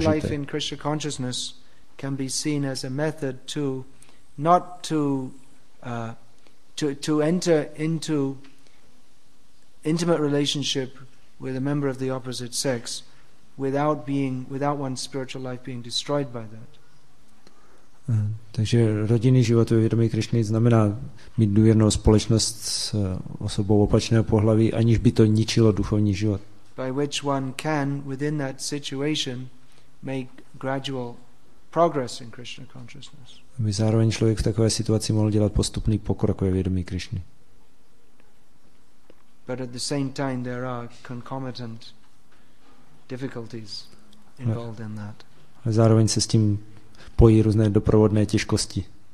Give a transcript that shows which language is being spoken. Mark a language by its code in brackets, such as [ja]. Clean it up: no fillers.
[en] Family life in Krishna consciousness can be seen as a method to not to to enter into intimate relationship with a member of the opposite sex without one's spiritual life being destroyed by that. [cs] Takže rodinný život ve vědomí Krišny znamená mít důvěrnou společnost s osobou opačného pohlaví, aniž by to ničilo duchovní život. [en] By which one can within that situation make gradual progress in Krishna consciousness. [cs] Aby zároveň člověk v takové situaci mohl dělat postupný pokrok ve vědomí Krišny. [en] But at the same time there are concomitant difficulties involved in that. [cs] A zároveň se s tím pojí různé doprovodné těžkosti.